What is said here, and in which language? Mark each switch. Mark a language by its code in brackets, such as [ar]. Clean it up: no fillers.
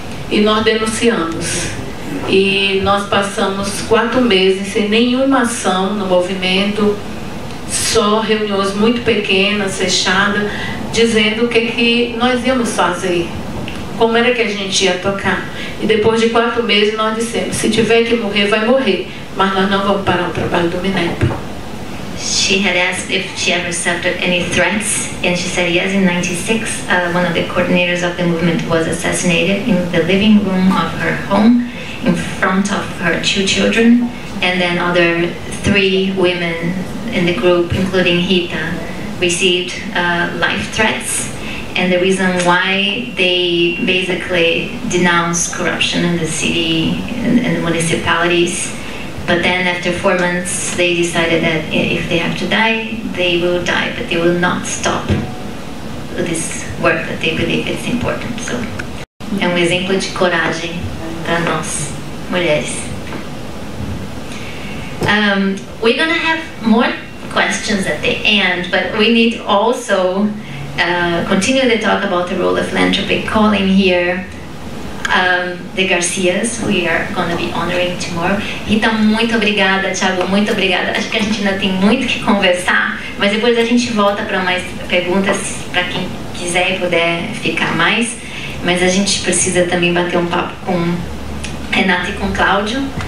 [pt] E nós denunciamos. E nós passamos 4 meses sem nenhuma ação no movimento, só reuniões muito pequenas, fechadas, dizendo o que, que nós íamos fazer. Como era que a gente ia tocar? E depois de 4 meses nós dissemos, se tiver que morrer, vai morrer. Mas nós não vamos parar o trabalho do MNEPA. [en] She had asked if she ever suffered any threats, and she said yes. In 96, one of the coordinators of the movement was assassinated in the living room of her home, in front of her 2 children, and then other 3 women in the group, including Rita, received life threats. And the reason why they basically denounced corruption in the city and in the municipalities. But then after 4 months, they decided that if they have to die, they will die, but they will not stop this work that they believe is important. [pt] So, é um exemplo de coragem para nós, mulheres. [en] We're going to have more questions at the end, but we need also continue the talk about the role of philanthropy, calling here the Garcias, we are going to be honoring tomorrow. [pt] Rita, muito obrigada, Thiago, muito obrigada. Acho que a gente ainda tem muito que conversar, mas depois a gente volta para mais perguntas, para quem quiser e puder ficar mais. Mas a gente precisa também bater um papo com Renata e com Claudio.